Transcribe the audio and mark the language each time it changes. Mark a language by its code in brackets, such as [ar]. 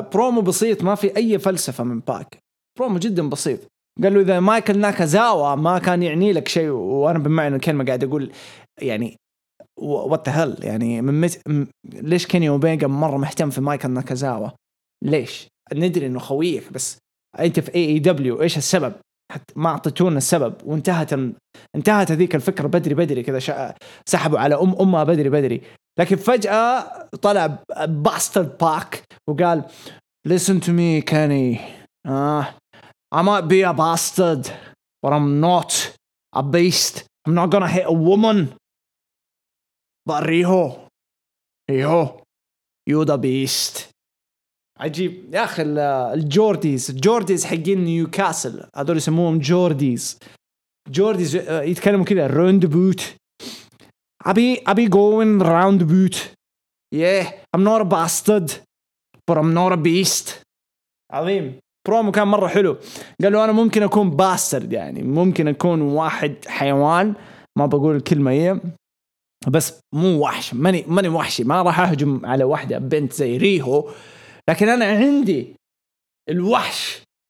[ar] برومو بسيط، ما في أي فلسفة من باك، برومو جدا بسيط، قال له إذا مايكل ناكازاوا ما كان يعني لك شيء، وأنا بمعنى الكلمة قاعد أقول يعني [en] what the hell [ar] يعني، ليش كيني أوميجا مرة مهتم في مايكل ناكازاوا؟ ليش؟ ندري أنه خويك بس أنت في AEW إيش السبب؟ حتى ما أعطيتونا السبب، وانتهت هذيك الفكرة بدري بدري كذا، سحبوا على أمها بدري بدري. لكن فجأة طلع باستر باك وقال [en] listen to me Kenny I might be a bastard but I'm not a beast I'm not gonna hit a woman but Riho you're the beast. [ar] عجيب يا أخي، الجورديز حقين نيوكاسل هذول يسموهم جورديز يتكلموا كده [en] round boot I be going round boot. Yeah, I'm not a bastard, but I'm not a beast. [ar] عظيم. برومو كان مرة حلو. قالوا أنا ممكن أكون bastard يعني، ممكن أكون واحد حيوان، ما بقول الكلمة هي، بس مو وحش. ماني وحشي، ما راح أهجم على واحدة بنت زي ريهو. لكن أنا عندي الوحش